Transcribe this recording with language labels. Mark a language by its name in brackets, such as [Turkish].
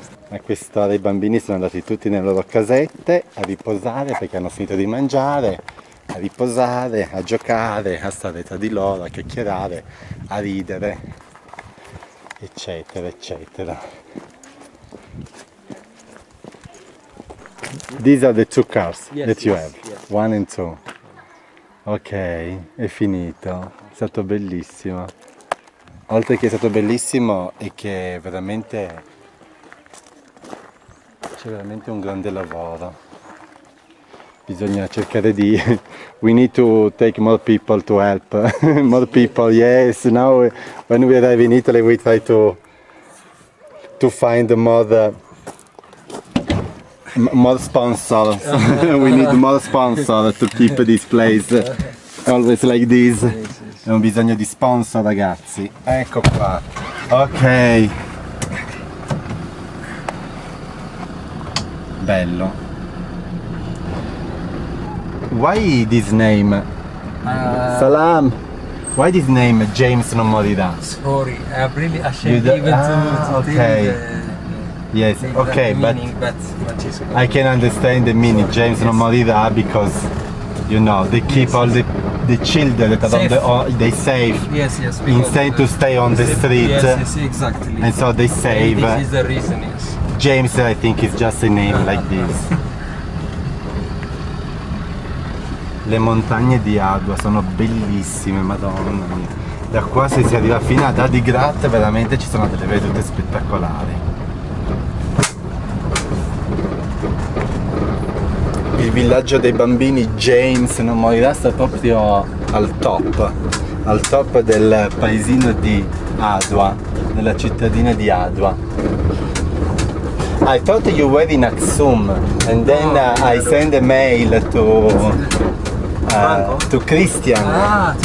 [Italian] A quest'ora i bambini sono andati tutti nelle loro casette a riposare perché hanno finito di mangiare, a riposare, a giocare, a stare tra di loro, a chiacchierare, a ridere, eccetera, eccetera. [English] These are the two cars you have, one and two. [Italian] Ok, è finito, è stato bellissimo. Oltre che è stato bellissimo è che veramente c'è veramente un grande lavoro. Bisogna cercare di... [English] We need to take more people to help. More people, yes. Now when we arrive in Italy we try to find more... More sponsors. We need more sponsors to keep this place always like this. [Italian] È un bisogno di sponsor, ragazzi. Ecco qua. [English] Ok. [Italian] Bello. [English] Why this name? Salam. Why this name, James non morirà? Sorry, I'm really ashamed even to Okay. Yes, okay, but I can understand the meaning, James non morirà, because, you know, they keep all the children that are safe. Yes, instead to stay on the street. Yes, exactly. And so they save. This is the reason, yes. James, I think, is just a name like this. [Italian] Le montagne di Adua sono bellissime, madonna mia. Da qua se si arriva fino ad Adigrat, veramente ci sono delle vedute spettacolari. Il villaggio dei bambini James non morirà sta proprio al top del paesino di Adua, nella cittadina di Adua. [English] I thought you were in Aksum and then I send a mail to Christian.